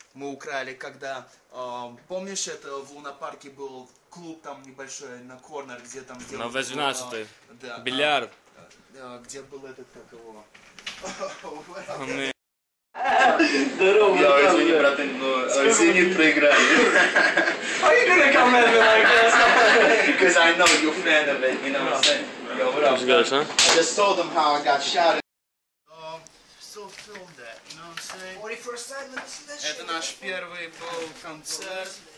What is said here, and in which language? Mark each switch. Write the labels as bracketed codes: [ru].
[ru] Мы украли, когда, помнишь, это в Лунапарке был клуб там небольшой на корнер, где там... На 18-й. Да. Бильярд. Где был этот, как его? Здорово, братан. Извини, братан, но Зенит проиграли. [en] Are you gonna come at me like this? Because I know you're a fan of it, you know what I'm saying? Yo, what up, man? Guys, huh? I just told them how I got shot at. Still filmed that, you know what I'm saying? 41st time, let's listen to this shit. [ru] Это наш первый был концерт.